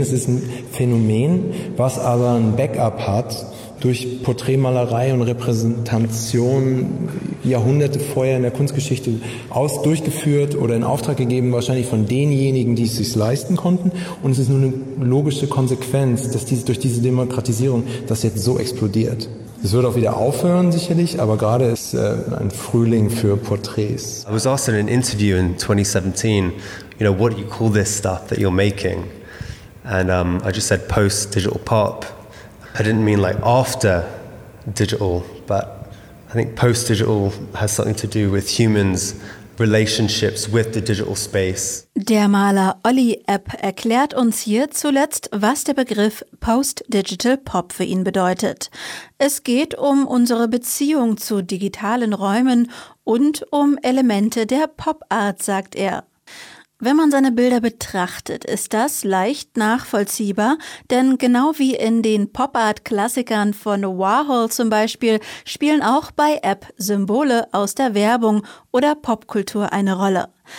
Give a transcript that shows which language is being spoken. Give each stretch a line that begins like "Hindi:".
German: Es ist ein Phänomen, was aber ein Backup hat durch Porträtmalerei und Repräsentation Jahrhunderte vorher in der Kunstgeschichte durchgeführt oder in Auftrag gegeben, wahrscheinlich von denjenigen, die es sich leisten konnten. Und es ist nur eine logische Konsequenz, dass durch diese Demokratisierung das jetzt so explodiert. Es wird auch wieder aufhören sicherlich, aber gerade ist ein Frühling für Porträts.
English: I was asked in an interview in 2017, you know, what do you call this stuff that you're making? And I just said post-digital pop. I didn't mean like after digital, but I think post-digital has something to do with humans' relationships with the digital space.
German: Der Maler Olli Epp erklärt uns hier zuletzt, was der Begriff Post-Digital Pop für ihn bedeutet. Es geht um unsere Beziehung zu digitalen Räumen und um Elemente der Pop-Art, sagt er. Wenn man seine Bilder betrachtet, ist das leicht nachvollziehbar, denn genau wie in den Pop-Art-Klassikern von Warhol zum Beispiel, spielen auch bei App Symbole aus der Werbung oder Popkultur eine Rolle.